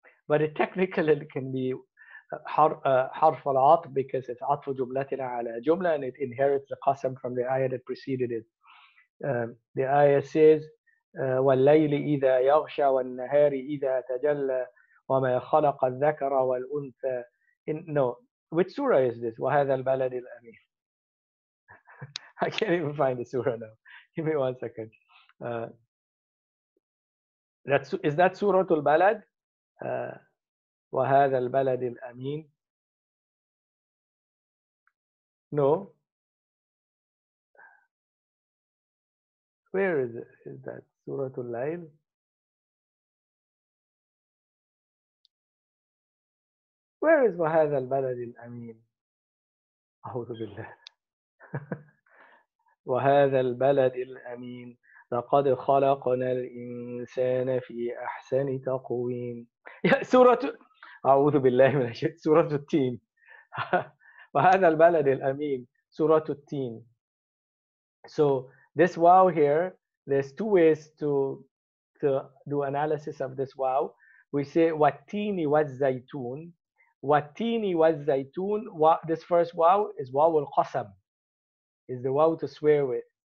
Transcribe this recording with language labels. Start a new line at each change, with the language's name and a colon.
English: But it technically can be harf al-atf because it's
Arabic: atf jumlatina ala jumla
English: and it inherits the qasam from the ayah that preceded it. The ayah says,
Arabic: وَاللَّيْلِ إِذَا يَغْشَى وَالنَّهَارِ إِذَا تَجَلَّى وَمَا خَلَقَ الذَّكَرَ وَالْأُنْثَى No.
English: Which surah is this?
Arabic: وَهَذَا الْبَلَدِ الْأَمِينَ
English: I can't even find the surah now. Give me one second. Is that surah al-balad?
Arabic: وَهَذَا الْبَلَدِ الْأَمِينَ No.
English: Where is it? Is that? Surah Al-Layl. Where is
Arabic: وَهَذَا الْبَلَدِ الْأَمِينَ أعوذ بالله. وَهَذَا الْبَلَدِ الْأَمِينَ لَقَدْ خَلَقْنَا الْإِنسَانَ فِي أَحْسَنِ تَقْوِيمٍ سورة أعوذ بالله من الشيطان سورة التين. وَهَذَا الْبَلَدِ الْأَمِينَ سورة التين.
English: So this wow here, there's two ways to do analysis of this wow. We say
Arabic: watini wa zaytun. Watini wa zaytun.
English: This first wow is wow al qasam, is the wow to swear with.